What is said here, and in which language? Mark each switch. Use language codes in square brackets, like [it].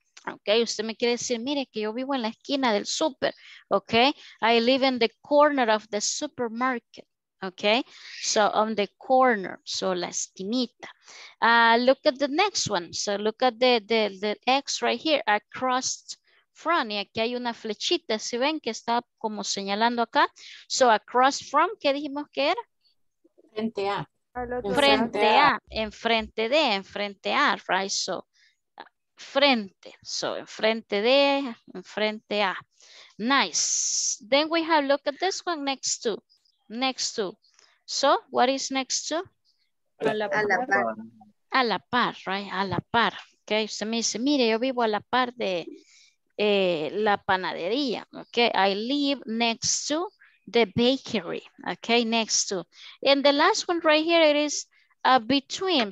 [es] Ok, usted me quiere decir, mire que yo vivo en la esquina del súper. [en] Ok, I live in the corner of the supermarket. Ok, so on the corner, so la esquinita. Look at the next one. So look at the X right here, across from. [es] Y aquí hay una flechita, ¿sí ven? Que está como señalando acá. So across from, ¿qué dijimos que era? Frente a. Frente a, enfrente de, enfrente a, right? So, frente, so, enfrente de, enfrente a. [en] Nice. Then we have, look at this one next to, next to. So, what is next to? [es] A la par. A la par, right? A la par. Okay, usted me dice, mire, yo vivo a la par de la panadería. [en] Okay, I live next to the bakery, okay, next to. And the last one right here, it is a between.